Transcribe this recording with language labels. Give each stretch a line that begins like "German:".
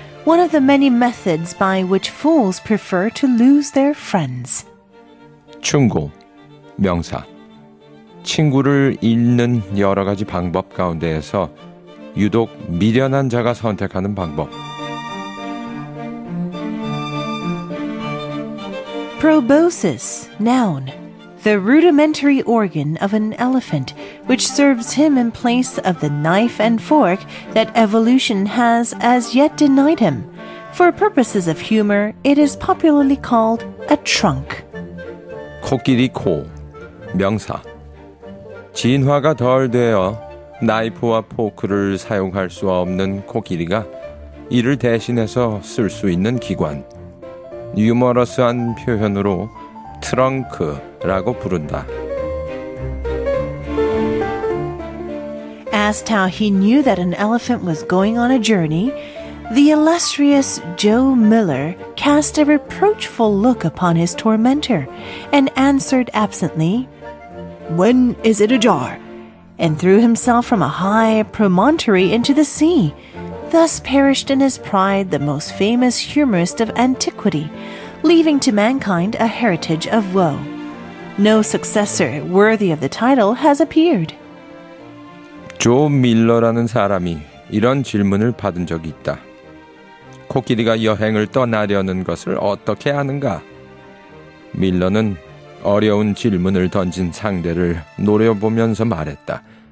English: One of the many methods by which fools prefer to lose their friends.
Korean: 충고, 명사. 친구를 잃는 여러 가지 방법 가운데에서 유독 미련한 자가 선택하는 방법.
English: Proboscis, noun. The rudimentary organ of an elephant, which serves him in place of the knife and fork that evolution has as yet denied him. For purposes of humor, it is popularly called a trunk.
Korean: 코끼리 코, 명사. 진화가 덜 되어 나이프와 포크를 사용할 수 없는 코끼리가 이를 대신해서 쓸 수 있는 기관. 유머러스한 표현으로 트렁크라고 부른다.
English: Asked how he knew that an elephant was going on a journey, the illustrious Joe Miller cast a reproachful look upon his tormentor and answered absently, "When is it ajar?" and threw himself from a high promontory into the sea. Thus perished in his pride the most famous humorist of antiquity, leaving to mankind a heritage of woe. No successor worthy of the title has appeared.
Korean: 조 밀러라는 사람이 이런 질문을 받은 적이 있다. 코끼리가 여행을 떠나려는 것을 어떻게 아는가? 밀러는 어려운 질문을 던진 상대를 노려보면서 말했다.